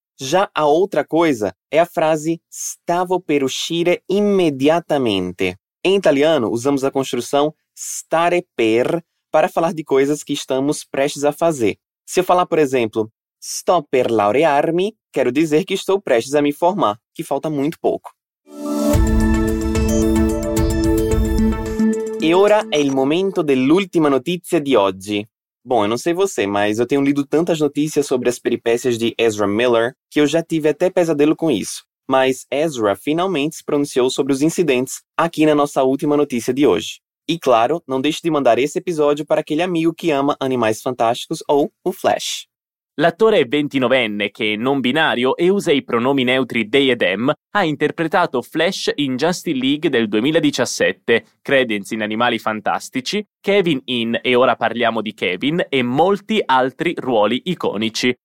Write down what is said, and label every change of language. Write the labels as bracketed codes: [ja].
[pt] Já a outra coisa é a frase [it] stavo per uscire [pt] imediatamente. Em italiano, usamos a construção stare per para falar de coisas que estamos prestes a fazer. Se eu falar, por exemplo, [it] sto per laurearmi, [pt] quero dizer que estou prestes a me formar, que falta muito pouco. [it] E ora é il momento dell'ultima notizia di oggi. [pt] Bom, eu não sei você, mas eu tenho lido tantas notícias sobre as peripécias de Ezra Miller que eu já tive até pesadelo com isso. Mas Ezra finalmente se pronunciou sobre os incidentes aqui na nossa última notícia de hoje. E claro, não deixe de mandar esse episódio para aquele amigo que ama Animais Fantásticos ou o Flash. [it] L'attore 29enne, che è non binario e usa i pronomi neutri they e them, ha interpretato Flash in Justice League del 2017, Credence in Animali Fantastici, Kevin in E ora parliamo di Kevin e molti altri ruoli iconici.